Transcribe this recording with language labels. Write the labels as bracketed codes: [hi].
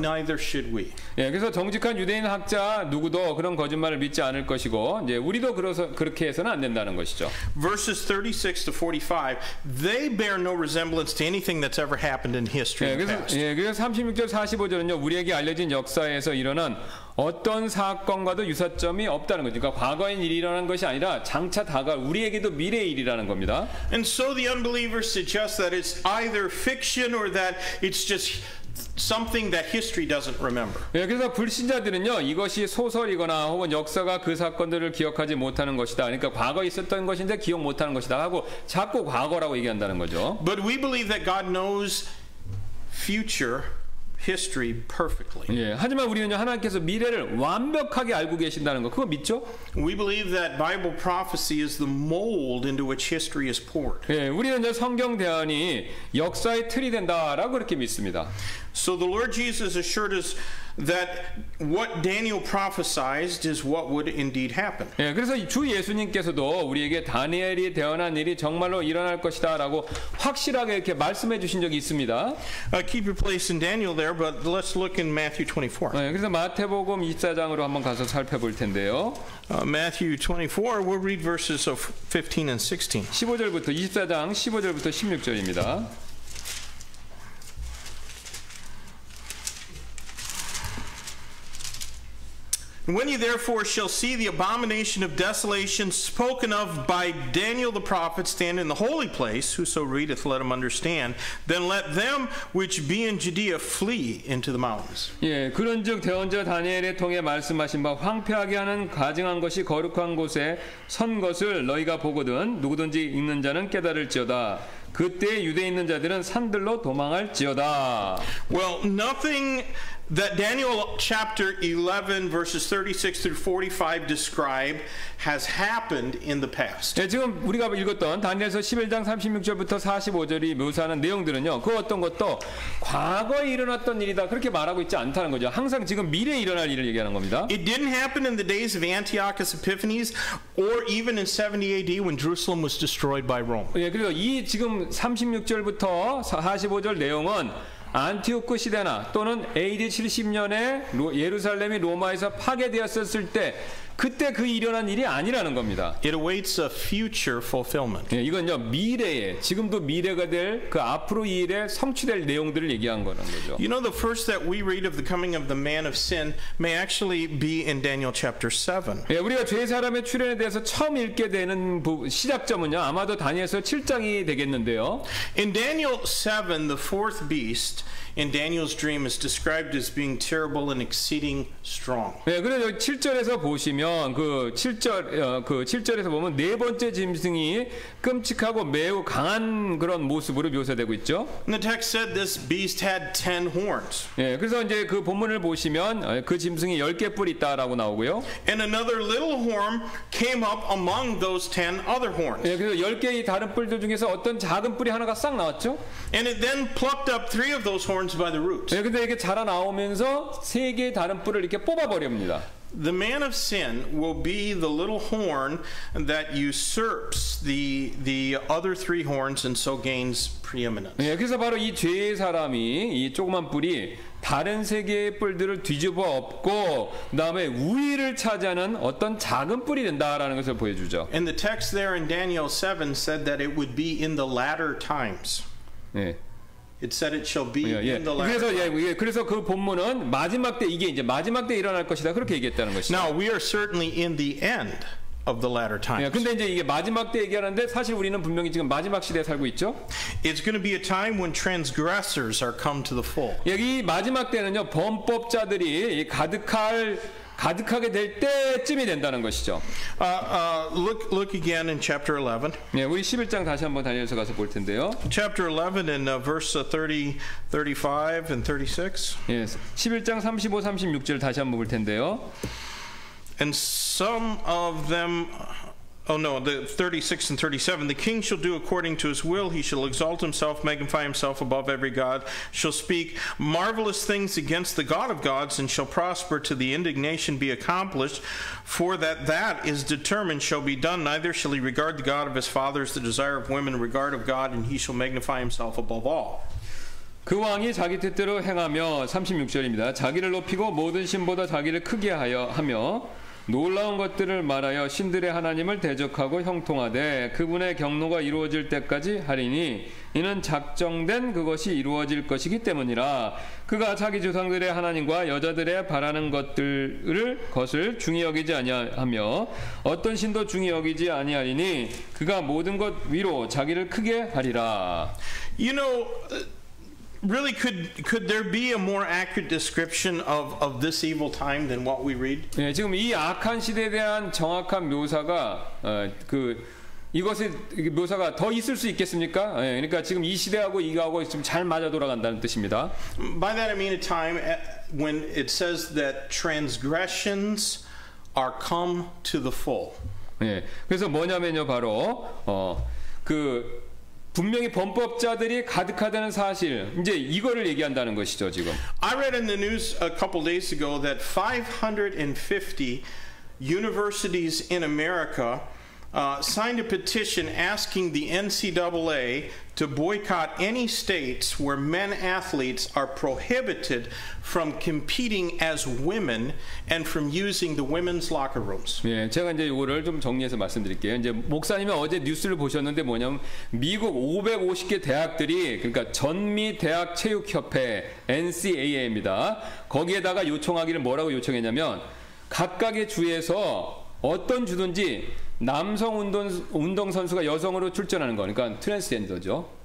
[en] Neither should we. [ko] 예, 그래서 정직한 유대인 학자 누구도 그런 거짓말을 믿지 않을 것이고, 이제 우리도 그렇게 해서는 안 된다는 것이죠. [en] Verses 36 to 45, they bear no resemblance to anything that's ever happened in history. [ko] 예, 그래서 36절 45절은요 우리에게 알려진 역사에서 일어난 어떤 사건과도 유사점이 없다는 거죠. 그러니까 과거의 일이 일어난 것이 아니라 장차 다가올 우리에게도 미래의 일이라는 겁니다. [en] And so the unbelievers suggest that it's either fiction or that it's just something that history doesn't remember. [ko] 예, 그래서 불신자들은요 이것이 소설이거나 혹은 역사가 그 사건들을 기억하지 못하는 것이다. 그러니까 과거 있었던 것인데 기억 못하는 것이다 하고 자꾸 과거라고 얘기한다는 거죠. [en] But we believe that God knows future history perfectly. [ko] 예, 하지만 우리는요 하나님께서 미래를 완벽하게 알고 계신다는 거 그거 믿죠? [en] We believe that Bible prophecy is the mold into which history is poured. [ko] 예, 우리는요 성경 대안이 역사의 틀이 된다라고 그렇게 믿습니다. [en] So the Lord Jesus assured us that what Daniel prophesied is what would indeed happen. [ko] 예, 그래서 주 예수님께서도 우리에게 다니엘이 대언한 일이 정말로 일어날 것이다라고 확실하게 이렇게 말씀해 주신 적이 있습니다. [en] Keep your place in Daniel there, but let's look in Matthew 24. [ko] 예, 그래서 마태복음 24장으로 한번 가서 살펴볼 텐데요. [en] Matthew 24, we'll read verses of 15 and 16. [ko] 15절부터 24장 15절부터 16절입니다. [en] When you therefore shall see the abomination of desolation spoken of by Daniel the prophet stand in the holy place, whoso readeth, let him understand, then let them which be in Judea flee into the mountains. [ko] 예, 그런즉 대언자 다니엘의 통해 말씀하신 바 황폐하게 하는 가증한 것이 거룩한 곳에 선 것을 너희가 보거든 누구든지 읽는 자는 깨달을지어다. 그때 유대에 있는 자들은 산들로 도망할지어다. [en] Well, nothing that Daniel chapter 11 verses 36 through 45 describe has happened in the past. [ko] 네, 지금 우리가 읽었던 다니엘서 11장 36절부터 45절이 묘사하는 내용들은요. 그 어떤 것도 과거에 일어났던 일이다 그렇게 말하고 있지 않다는 거죠. 항상 지금 미래에 일어날 일을 얘기하는 겁니다. [en] It didn't happen in the days of Antiochus Epiphanes or even in 70 AD when Jerusalem was destroyed by Rome. [ko] 예, 네, 그리고 이 지금 36절부터 45절 내용은 안티오크 시대나 또는 AD 70년에 예루살렘이 로마에서 파괴되었을 때 그때 그 일어난 일이 아니라는 겁니다. [en] It awaits a future fulfillment. [ko] 예, 이건요 미래에 지금도 미래가 될 그 앞으로 이 일에 성취될 내용들을 얘기한 거는 거죠. [en] You know the first that we read of the coming of the man of sin may actually be in Daniel chapter 7. [ko] 예, 우리가 죄 사람의 출현에 대해서 처음 읽게 되는 시작점은요 아마도 다니엘서 7장이 되겠는데요. [en] In Daniel 7, the fourth beast And Daniel's dream is described as being terrible and exceeding strong. [ko] 네, 그래서 7절에서 보시면 그 7절 그 7절에서 보면 네 번째 짐승이 끔찍하고 매우 강한 그런 모습으로 묘사되고 있죠. [en] And the text said this beast had 10 horns. [ko] 예, 그래서 이제 그 본문을 보시면 그 짐승이 10개 뿔이 있다라고 나오고요. [en] And another little horn came up among those 10 other horns. [ko] 예, 그래서 10개의 다른 뿔들 중에서 어떤 작은 뿔이 하나가 싹 나왔죠. [en] And it then plucked up 3 of those horns by the roots. [ko] 예, 근데 이게 자라 나오면서 세 개의 다른 뿔을 이렇게 뽑아 버립니다. [en] The man of sin will be the little horn that usurps the other three horns and so gains preeminence. [ko] 예, 그래서 바로 이 죄의 사람이 이 조그만 뿔이 다른 세 개의 뿔들을 뒤집어 엎고 그다음에 우위를 차지하는 어떤 작은 뿔이 된다라는 것을 보여주죠. [en] And the text there in Daniel 7 said that it would be in the latter times. [ko] 예. [en] It said it shall be in the last. [ko] 그래서 예, 그래서 그 본문은 마지막 때 이게 이제 마지막 때 일어날 것이다 그렇게 얘기했다는 것이죠. [en] Now we are certainly in the end of the latter times. [ko] 예, 근데 이제 이게 마지막 때 얘기하는데 사실 우리는 분명히 지금 마지막 시대에 살고 있죠. [en] It's going to be a time when transgressors are come to the full. [ko] 여기 마지막 때는요 범법자들이 가득할 가득하게 될 때쯤이 된다는 것이죠. [en] Look again in chapter 11. [ko] 예, 우리 11장 다시 한번 다니엘서 가서 볼 텐데요. Chapter 11 in verse 30, 35 and 36. 예, 11장 35, 36절 다시 한번 볼 텐데요. [en] And some of them, oh no, the 36 and 37. The king shall do according to his will. He shall exalt himself, magnify himself above every god. Shall speak marvelous things against the God of gods, and shall prosper till the indignation be accomplished. For that is determined shall be done. Neither shall he regard the god of his fathers, the desire of women, regard of God, and he shall magnify himself above all. [ko] 그 왕이 자기 뜻대로 행하며 36절입니다. 자기를 높이고 모든 신보다 자기를 크게 하여 하며 놀라운 것들을 말하여 신들의 하나님을 대적하고 형통하되 그분의 경로가 이루어질 때까지 하리니 이는 작정된 그것이 이루어질 것이기 때문이라. 그가 자기 조상들의 하나님과 여자들의 바라는 것들을 것을 중히 여기지 아니하며 어떤 신도 중히 여기지 아니하리니 그가 모든 것 위로 자기를 크게 하리라. [en] You know, really, could there be a more accurate description of this evil time than what we read? [ko] 예, 지금 이 악한 시대에 대한 정확한 묘사가 그 이것의 묘사가 더 있을 수 있겠습니까? 예, 그러니까 지금 이 시대하고 이거하고 지금 잘 맞아 돌아간다는 뜻입니다. [en] By that I mean a time when it says that transgressions are come to the full. [ko] 예, 그래서 뭐냐면요, 바로 그 분명히 범법자들이 가득하다는 사실 이제 이거를 얘기한다는 것이죠 지금. [en] I read in the news a couple days ago that 550 universities in America signed a petition asking the NCAA to boycott any states where men athletes are prohibited from competing as women and from using the women's locker rooms. [ko] 예, 제가 이제 이거를 좀 정리해서 말씀드릴게요. 이제 목사님이 어제 뉴스를 보셨는데 뭐냐면 미국 550개 대학들이 그러니까 전미 대학 체육 협회 NCAA입니다. 거기에다가 요청하기를 뭐라고 요청했냐면 각각의 주에서 어떤 주든지 남성 운동 선수가 여성으로 출전하는 거, 그러니까 트랜스젠더죠.